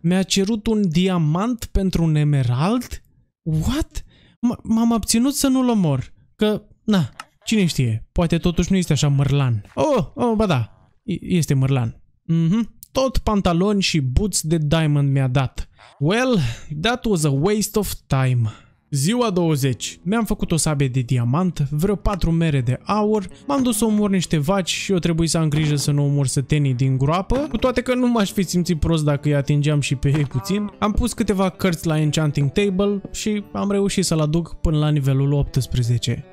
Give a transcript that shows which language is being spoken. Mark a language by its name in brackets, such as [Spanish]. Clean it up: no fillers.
[Romanian] Mi-a cerut un diamant pentru un emerald? [English] What? [Romanian] M-am abținut să nu-l omor. Că, na, cine știe, poate totuși nu este așa mărlan. Oh, ba da, este mărlan. Mhm. Tot pantaloni și boots de diamond mi-a dat. [English] Well, that was a waste of time. [Romanian] Ziua 20. Mi-am făcut o sabie de diamant, vreo 4 mere de aur, m-am dus să omor niște vaci și eu trebuie să am grijă să nu omor sătenii din groapă, cu toate că nu m-aș fi simțit prost dacă îi atingeam și pe ei puțin. Am pus câteva cărți la enchanting table și am reușit să-l aduc până la nivelul 18.